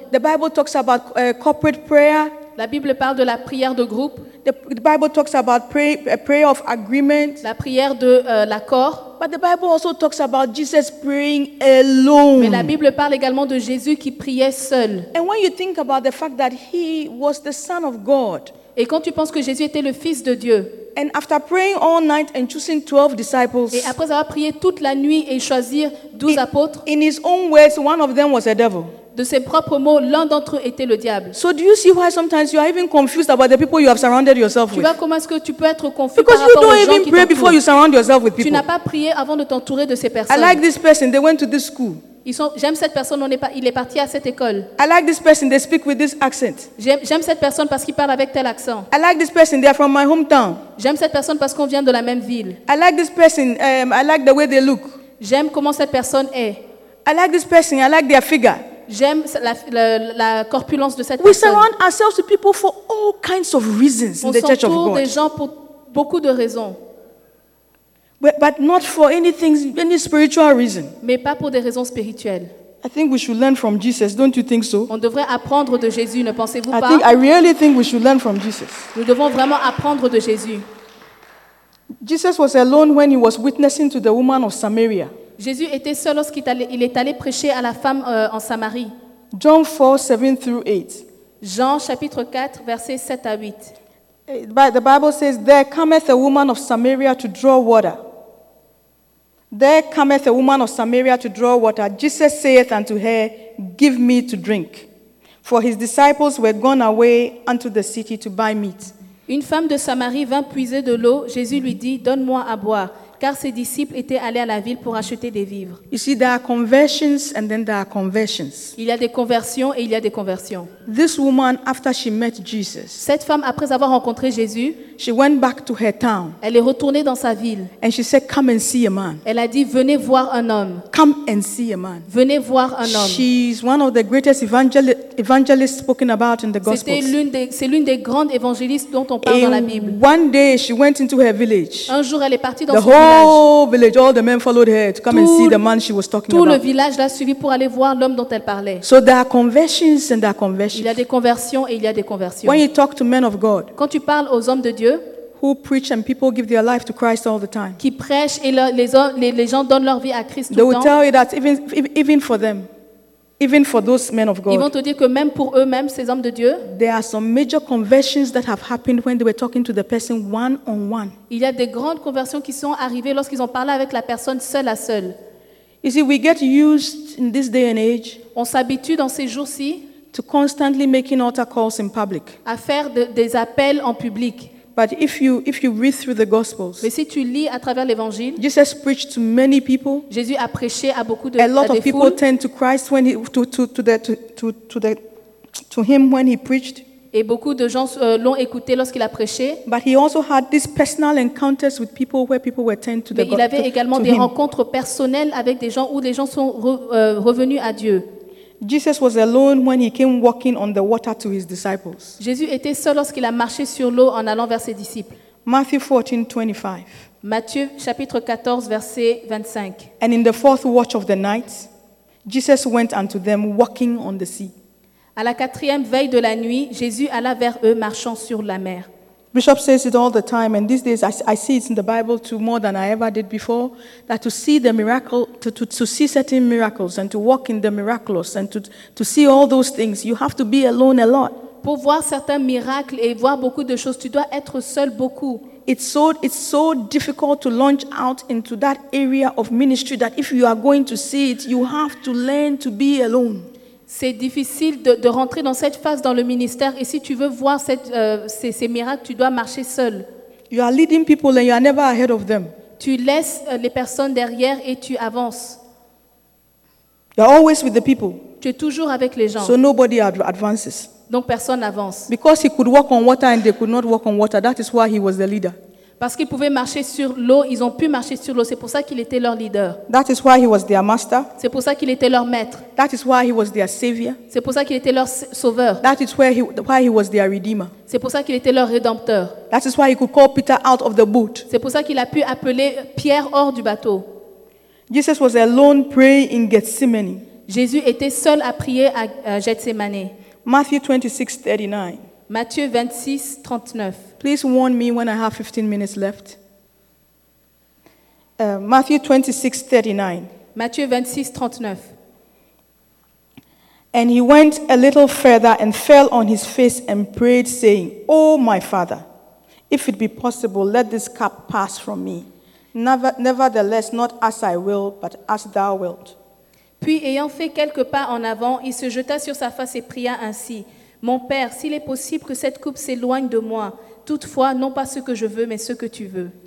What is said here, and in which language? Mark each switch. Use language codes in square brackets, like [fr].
[en] The Bible talks about corporate prayer. [fr] La Bible parle de la prière de groupe. [en] The Bible talks about prayer of agreement. [fr] La prière de l'accord. [en] But the Bible also talks about Jesus praying alone. [fr] Mais la Bible parle également de Jésus qui priait seul. [en] And when you think about the fact that he was the Son of God. [fr] Et quand tu penses que Jésus était le Fils de Dieu. [en] And after praying all night and choosing 12 disciples. [fr] Et après avoir prié toute la nuit et choisir 12 apôtres. [en] In his own words, one of them was a devil. [fr] De ses propres mots, l'un d'entre eux était le diable. [en] So do you see why sometimes you are even confused about the people you have surrounded yourself with? [fr] Tu vois comment est-ce que tu peux être confus par rapport aux gens [en] Because you don't even pray before you surround yourself with people. [fr] Tu n'as pas prié avant de t'entourer de ces personnes. [en] I like this person, they went to this school. [fr] J'aime cette personne, il est parti à cette école. [en] I like this person, they speak with this accent. [fr] J'aime cette personne parce qu'il parle avec tel accent. [en] I like this person, they are from my hometown. [fr] J'aime cette personne parce qu'on vient de la même ville. [en] I like this person, I like the way they look. [fr] J'aime comment cette personne est. [en] I like this person, I like their figure. [fr] J'aime la corpulence de cette [en] we [fr] personne. [en] We surround ourselves with people for all kinds of reasons [fr] on [en] in the church of God. [fr] On s'entoure des gens pour beaucoup de raisons. [en] But not for anything, any spiritual reason. [fr] Mais pas pour des raisons spirituelles. [en] I think we should learn from Jesus, don't you think so? [fr] On devrait apprendre de Jésus, ne pensez-vous pas? [en] I really think we should learn from Jesus. [fr] Nous devons vraiment apprendre de Jésus. [en] Jesus was alone when he was witnessing to the woman of Samaria. [fr] Jésus était seul lorsqu'il est allé prêcher à la femme en Samarie. [en] John 4, 7 through 8. [fr] Jean chapitre 4, versets 7 à 8. [en] The Bible says, there cometh a woman of Samaria to draw water. There cometh a woman of Samaria to draw water. Jesus saith unto her, give me to drink. For his disciples were gone away unto the city to buy meat. [fr] Une femme de Samarie vint puiser de l'eau. Jésus lui dit, donne-moi à boire. Car ses disciples étaient allés à la ville pour acheter des vivres. [en] You see, there are conversions and then there are conversions. [fr] Il y a des conversions et il y a des conversions. [en] This woman, after she met Jesus, [fr] cette femme, après avoir rencontré Jésus, [en] she went back to her town. [fr] Elle est retournée dans sa ville. [en] And she said, come and see a man. [fr] Elle a dit, venez voir un homme. [en] Come and see a man. [fr] Venez voir un homme. [en] She is one of the greatest evangelists spoken about in the Gospels. [fr] C'est l'une des grandes évangélistes dont on parle [en] and [fr] dans la Bible. [en] One day she went into her village. [fr] Un jour, elle est partie dans [en] the [fr] son village. [en] Village, all the men followed her to come [fr] tout, [en] and see the man she was talking [fr] tout [en] about. [fr] Le village l'a suivi pour aller voir l'homme dont elle parlait. [en] So there are conversions and there are conversions. [fr] Il y a des conversions et il y a des conversions. [en] When you talk to men of God, [fr] quand tu parles aux hommes de Dieu, [en] who preach and people give their life to Christ all the time, [fr] qui prêchent et les gens donnent leur vie à Christ tout [en] they [fr] le [en] will [fr] temps, [en] tell you that even for them, even for those men of God, [fr] ils vont te dire que même pour eux-mêmes, ces hommes de Dieu, [en] there are some major conversions that have happened when they were talking to the person one on one. [fr] Il y a des grandes conversions qui sont arrivées lorsqu'ils ont parlé avec la personne seule à seule. [en] You see, we get used in this day and age. [fr] On s'habitue dans ces jours-ci [en] to constantly making altar calls in public. [fr] À faire des appels en public. [en] But if you read through the Gospels, [fr] mais si tu lis à travers l'Évangile, [en] Jesus preached to many people. [fr] Jésus a prêché à beaucoup de foules. [en] A lot of people turned to Christ when to him when he preached. [fr] Et beaucoup de gens l'ont écouté lorsqu'il a prêché. [en] But he also had these personal encounters with people where people were turned to him. [fr] Mais il avait également des rencontres personnelles avec des gens où les gens sont revenus à Dieu. [en] Jesus was alone when he came walking on the water to his disciples. [fr] Jésus était seul lorsqu'il a marché sur l'eau en allant vers ses disciples. [en] Matthew 14, 25. [fr] Matthieu chapitre 14 verset 25. [en] And in the fourth watch of the night, Jesus went unto them walking on the sea. [fr] À la quatrième veille de la nuit, Jésus alla vers eux marchant sur la mer. [en] Bishop says it all the time, and these days I see it in the Bible too more than I ever did before, that to see the miracle, to see certain miracles and to walk in the miraculous and to see all those things, you have to be alone a lot. [fr] Pour voir certains miracles et voir beaucoup de choses, tu dois être seul beaucoup. [en] It's so difficult to launch out into that area of ministry that if you are going to see it, you have to learn to be alone. [fr] C'est difficile de rentrer dans cette phase dans le ministère et si tu veux voir ces miracles, tu dois marcher seul. [en] You are leading people and you are never ahead of them. [fr] Tu laisses les personnes derrière et tu avances. [en] They're always with the people. [fr] Tu es toujours avec les gens. [en] So nobody advances. [fr] Donc personne n'avance. [en] Because he could walk on water and they could not walk on water. That is why he was the leader. [fr] Parce qu'ils pouvaient marcher sur l'eau, ils ont pu marcher sur l'eau. C'est pour ça qu'il était leur leader. [en] That is why he was their master. [fr] C'est pour ça qu'il était leur maître. [en] That is why he was their savior. [fr] C'est pour ça qu'il était leur sauveur. [en] That is why he was their redeemer. [fr] C'est pour ça qu'il était leur rédempteur. [en] That is why he could call Peter out of the boat. [fr] C'est pour ça qu'il a pu appeler Pierre hors du bateau. [en] Jesus was alone praying in Gethsemane. [fr] Jésus était seul à prier à Gethsemane. [en] Matthew 26:39. [fr] Matthieu 26:39. [en] Please warn me when I have 15 minutes left. Matthew 26:39. [fr] Matthieu 26:39. [en] And he went a little further and fell on his face and prayed, saying, "Oh my Father, if it be possible, let this cup pass from me. Nevertheless, not as I will, but as thou wilt." [fr] Puis ayant fait quelques pas en avant, il se jeta sur sa face et pria ainsi: Mon Père, s'il est possible que cette coupe s'éloigne de moi, toutefois, non pas ce que je veux, mais ce que tu veux.